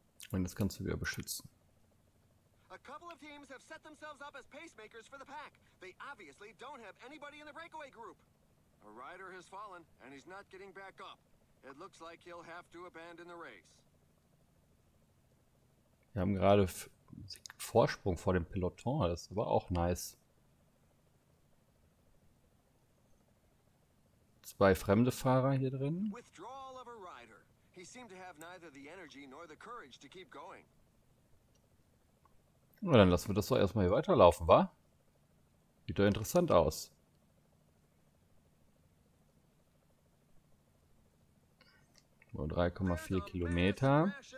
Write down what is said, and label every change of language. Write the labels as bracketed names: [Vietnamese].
[German] Und das kannst du wieder beschützen. [English] A couple of teams have set themselves up as pacemakers for the pack. They obviously don't have anybody in the breakaway group. A rider has fallen and he's not getting back up. It looks like he'll have to abandon the race. [German] Wir haben gerade Vorsprung vor dem Peloton, das ist aber auch nice. Zwei fremde Fahrer hier drin. [English] Withdrawal of a rider. He seemed to have neither the energy nor the courage to keep going. [German] Na, dann lassen wir das doch erstmal hier weiterlaufen, wa? Sieht doch interessant aus. Nur 3,4 Kilometer.